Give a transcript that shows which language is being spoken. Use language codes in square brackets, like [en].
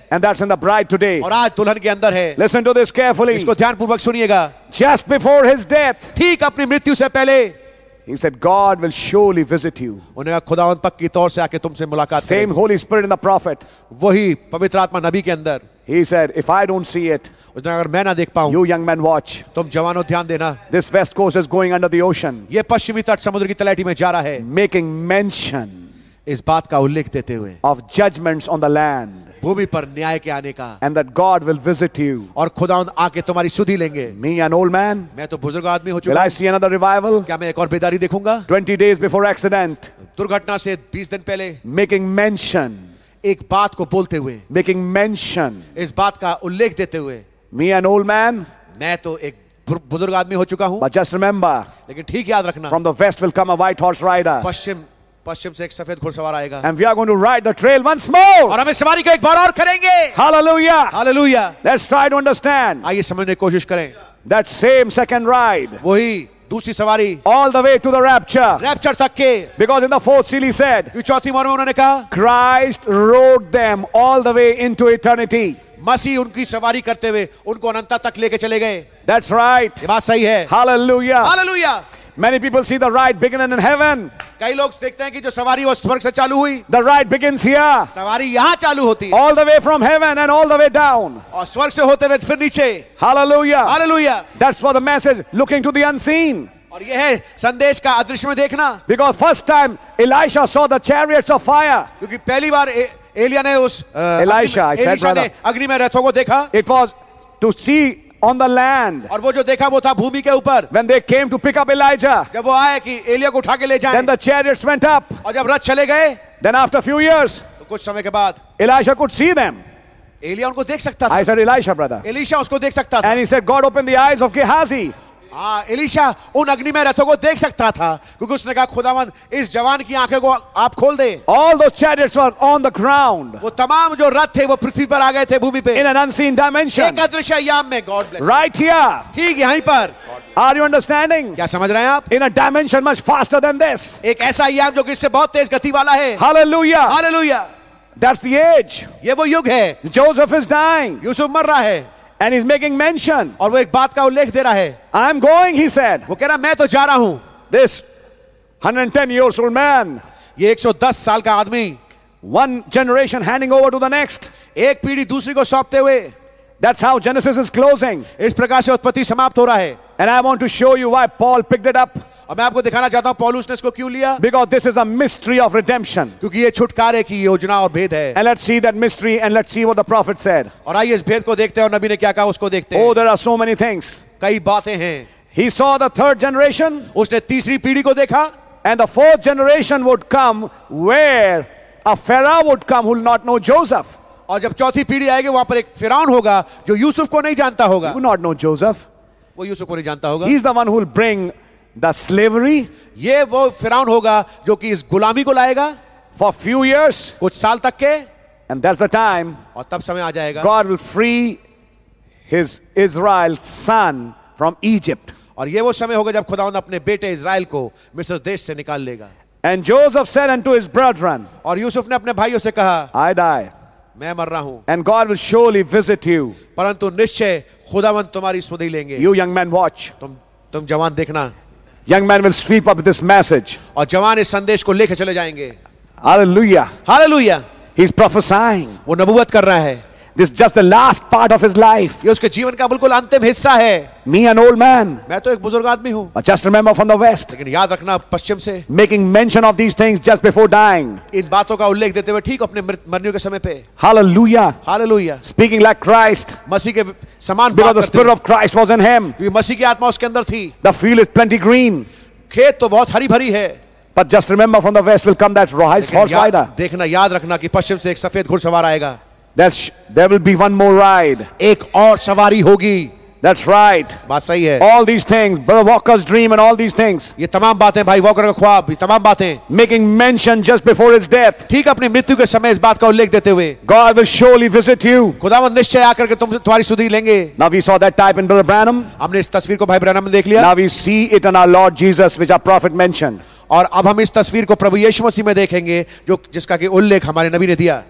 [en] And that's in the bride today. [hi] और आज दुल्हन के अंदर है. [en] Listen to this carefully. [hi] इसको ध्यान पूर्वक सुनिएगा. [en] Just before his death. [hi] ठीक अपनी मृत्यु से पहले. [en] He said, God will surely visit you. [hi] उन्हें खुदावंत पक्की तौर से आके तुमसे मुलाकात करेगा. [en] Same Holy Spirit in the prophet. [hi] वही पवित्र आत्मा नबी के अंदर. [en] He said, if I don't see it, [hi] उसने अगर मैं ना देख पाऊं, [en] you young men watch. [hi] तुम जवानों ध्यान देना. [en] This west coast is going under the ocean. [hi] ये पश्चिमी तट समुद्र की तलैटी में जा रहा है. [en] Making mention. [hi] इस बात का उल्लेख देते हुए. [en] Of judgments on the land. [hi] भूमि पर न्याय के आने का. [en] And that God will visit you. [hi] और खुदावंद आके तुम्हारी सुधि लेंगे. [en] Me an old man. [hi] मैं तो बुजुर्ग आदमी हो चुका. [en] Will I see another revival? [hi] क्या मैं एक और बेदारी देखूंगा? [en] 20 days before accident. [hi] दुर्घटना से 20 दिन पहले. [en] Making mention. [hi] एक बात को बोलते हुए. [en] Making mention. [hi] इस बात का उल्लेख देते हुए. [en] Me an old man. [hi] मैं तो एक बुजुर्ग आदमी हो चुका हूँ. [en] But just remember. [hi] लेकिन ठीक याद रखना. [en] From the west will come a white horse rider. [hi] पश्चिम से एक सफेद घुड़सवार आएगा. [en] And we are going to ride the trail once more. [hi] और हम इस सवारी को एक बार और करेंगे. [en] Hallelujah. [hi] Hallelujah. [en] Let's try to understand. [hi] आइए समझने की कोशिश करें. [en] That same second ride. [hi] वही दूसरी सवारी. [en] All the way to the rapture. [hi] Rapture तक के. [en] Because in the fourth seal he said. [hi] चौथी मोहर में उन्होंने कहा. [en] Christ rode them all the way into eternity. [hi] मसीह उनकी सवारी करते हुए उनको अनंत तक लेके चले गए. [en] That's right. [hi] ये बात सही है. [en] Hallelujah. [hi] Hallelujah. [en] Many people see the ride beginning in heaven. [hi] कई लोग देखते हैं कि जो सवारी वो स्वर्ग से चालू हुई. [en] The ride begins here. [hi] सवारी यहाँ चालू होती. [en] All the way from heaven and all the way down. [hi] और स्वर्ग से होते हुए फिर नीचे. [en] Hallelujah. [hi] Hallelujah. [en] That's for the message. Looking to the unseen. [hi] और यह है संदेश का अदृश्य में देखना. [en] Because first time Elisha saw the chariots of fire. [hi] क्योंकि पहली बार एलिया ने उस एलिशा ने अग्नि में रथों को देखा. [en] It was to see. On the land. [hi] और वो जो देखा वो था भूमि के ऊपर. [en] When they came to pick up Elijah. [hi] जब वो आए कि एलिया को उठा के ले जाएं. [en] Then the chariots went up. [hi] और जब रथ चले गए. [en] Then after a few years. [hi] तो कुछ समय के बाद. [en] Elisha could see them. [hi] Elia उनको देख सकता था. [en] I said Elisha brother. [hi] Elisha उसको देख सकता था. [en] And he said God opened the eyes of Gehazi. [hi] Elisha उन अग्नि में रथों को देख सकता था क्योंकि उसने कहा खुदावंद इस जवान की आंखें को आप खोल दे. [en] All those chariots were on the ground. [hi] वो तमाम जो रथ थे वो पृथ्वी पर आ गए थे भूमि पे. [en] In an unseen dimension. [hi] एक अदृश्य आयाम में. [en] God bless. Right here. [hi] ठीक यहीं पर. [en] Are you understanding? [hi] क्या समझ रहे हैं आप? [en] In a dimension much faster than this. [hi] एक ऐसा आयाम जो कि इससे बहुत तेज गति वाला है. [en] Hallelujah. [hi] Hallelujah. [en] That's the age. [hi] ये वो युग है. [en] Joseph is dying. [hi] यूसुफ मर रहा है. [en] And he's making mention. [hi] और वो एक बात का उल्लेख दे रहा है. [en] I'm going, he said. [hi] वो कह रहा मैं तो जा रहा हूँ. [en] This 110 years old man. [hi] ये 110 साल का आदमी. [en] One generation handing over to the next. [hi] एक पीढ़ी दूसरी को सौंपते हुए. [en] That's how Genesis is closing. [hi] इस प्रकार से उत्पत्ति समाप्त हो रहा है. [en] And I want to show you why Paul picked it up. [hi] और मैं आपको दिखाना चाहता हूँ पौलुस ने इसको क्यों लिया. [en] Because this is a mystery of redemption. [hi] क्योंकि ये छुटकारे की योजना और भेद है. [en] And let's see that mystery and let's see what the prophet said. [hi] और आइए इस भेद को देखते हैं और नबी ने क्या कहा उसको देखते हैं. [en] Oh, there are so many things. [hi] कई बातें हैं. [en] He saw the third generation. [hi] उसने तीसरी पीढ़ी को देखा. [en] And the fourth generation would come where a Pharaoh would come who will not know Joseph. [hi] और जब चौथी पीढ़ी आएगी वहां पर एक फिराउन होगा जो यूसुफ को नहीं जानता होगा. [en] You not know Joseph. [hi] वो यूसुफ को नहीं जानता होगा. [en] He is the one who will bring the slavery. [hi] ये वो फिराउन होगा जो कि इस गुलामी को लाएगा. [en] For few years. [hi] कुछ साल तक के. [en] And that's the time. [hi] और तब समय आ जाएगा. [en] God will free his Israel son from Egypt. [hi] और ये वो समय होगा जब खुदावंद अपने बेटे इज़राइल को मिस्र देश से निकाल लेगा. [en] And Joseph said unto his brethren. [hi] और यूसुफ ने अपने भाइयों से कहा. [en] I die. [hi] मैं मर रहा हूं. [en] And God will surely visit you. [hi] परंतु निश्चय खुदावंत तुम्हारी सुधि लेंगे. [en] You young man watch. [hi] तुम जवान देखना. [en] Young man will sweep up this message. [hi] और जवान इस संदेश को लेकर चले जाएंगे. [en] Hallelujah. [hi] Hallelujah. [en] He's prophesying. [hi] वो नबुवत कर रहा है. [en] This is just the last part of his life. [hi] ये उसके जीवन का बिल्कुल अंतिम हिस्सा है. [en] Me an old man. [hi] मैं तो एक बुजुर्ग आदमी हूँ. [en] But just remember from the west. [hi] लेकिन याद रखना पश्चिम से. [en] Making mention of these things just before dying. [hi] इन बातों का उल्लेख देते हुए ठीक अपने मरने के समय पे. [en] Hallelujah. [hi] Hallelujah. [en] Speaking like Christ. [hi] मसीह के समान. [en] Because the spirit of Christ was in him. [hi] क्योंकि मसीह की आत्मा उसके अंदर थी. [en] The field is plenty green. [hi] खेत तो बहुत हरी भरी है. [en] But just remember from the west will come that rise horse rider. [hi] देखना याद रखना कि पश्चिम से एक सफेद घुड़सवार आएगा. [en] There will be one more ride. [hi] एक और सवारी होगी. [en] That's right. [hi] बात सही है. [en] All these things, Brother Walker's dream and all these things. [hi] ये तमाम बातें भाई वॉकर का ख्वाब, ये तमाम बातें. [en] Making mention just before his death. [hi] ठीक अपनी मृत्यु के समय इस बात का उल्लेख देते हुए. [en] God will surely visit you. [hi] खुदावंद निश्चय आकर के तुम्हारी सुधि लेंगे. [en] Now we saw that type in Brother Branham. [hi] हमने इस तस्वीर को भाई ब्रैनम में देख लिया. [en] Now we see it in our Lord Jesus, which our prophet mentioned. [hi] और अब हम इस तस्वीर को प्रभु यीशु मसीह में देखेंगे जो जिसका कि उल्लेख हमारे नबी ने दिया.